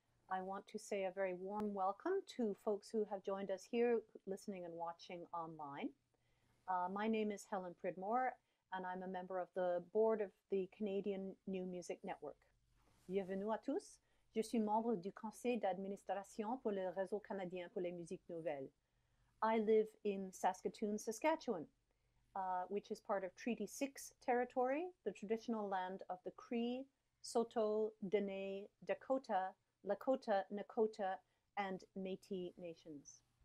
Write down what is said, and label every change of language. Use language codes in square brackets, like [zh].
[en] I want to say a very warm welcome to folks who have joined us here, listening and watching online. My name is Helen Pridmore, and I'm a member of the board of the Canadian New Music Network. [fr] Bienvenue à tous. Je suis membre du conseil d'administration pour le réseau canadien pour les musiques nouvelles. [en] I live in Saskatoon, Saskatchewan, which is part of Treaty 6 territory, the traditional land of the Cree, Soto, Dene, Dakota, Lakota, Nakota, and Métis nations.